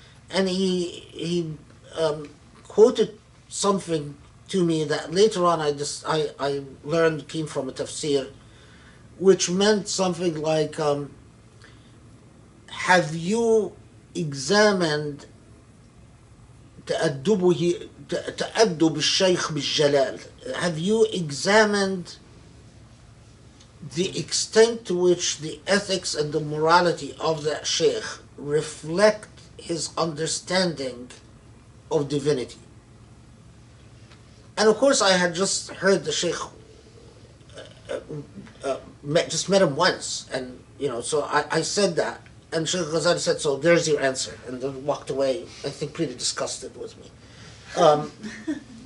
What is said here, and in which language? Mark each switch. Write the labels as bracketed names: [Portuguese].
[English] And he quoted something to me that later on I learned came from a tafsir, which meant something like, have you examined [Arabic] تأدبه تأدب الشيخ بالجلال. [English] Have you examined the extent to which the ethics and the morality of that sheikh reflect his understanding of divinity? And of course, I had just heard the sheikh, just met him once, and you know, so I said that, and Sheikh Ghazali said, "So there's your answer," and then walked away, I think, pretty disgusted with me.